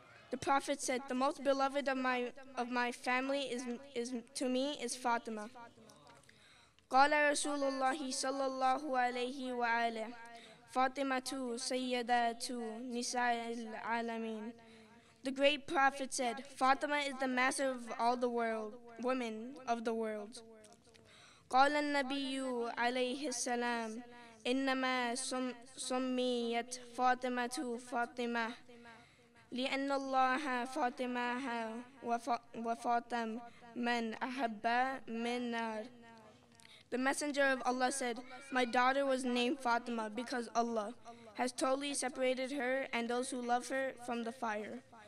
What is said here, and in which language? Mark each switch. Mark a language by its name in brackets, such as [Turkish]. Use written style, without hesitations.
[English] The Prophet said, the most beloved of my family is to me is Fatima. [Arabic] قال رسول الله صلى الله عليه وآله فاطمة سيدة نساء العالمين. [English] The great prophet said, Fatima is the master of all the world, women of the world. [Arabic] قال النبي عليه السلام إنما سميت فاطمة فاطمة لأن الله فاطمها وفاطم من أحب من نار. [English] The Messenger of Allah said, my daughter was named Fatima because Allah has totally separated her and those who love her from the fire.